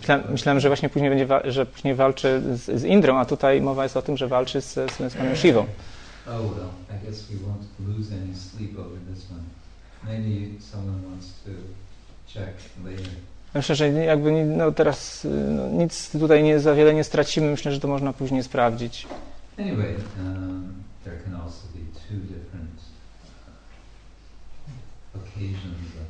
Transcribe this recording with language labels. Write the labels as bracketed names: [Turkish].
[Polish] Myślałem, że właśnie później będzie później walczy z Indrą, a tutaj mowa jest o tym, że walczy z panią Shivą. [English] Oh well, I guess we won't lose any sleep over this one. Maybe someone wants to check later. [Polish] Myślę, że jakby no teraz no nic tutaj nie za wiele nie stracimy. Myślę, że to można później sprawdzić. [English] Anyway, there can also be two different occasions.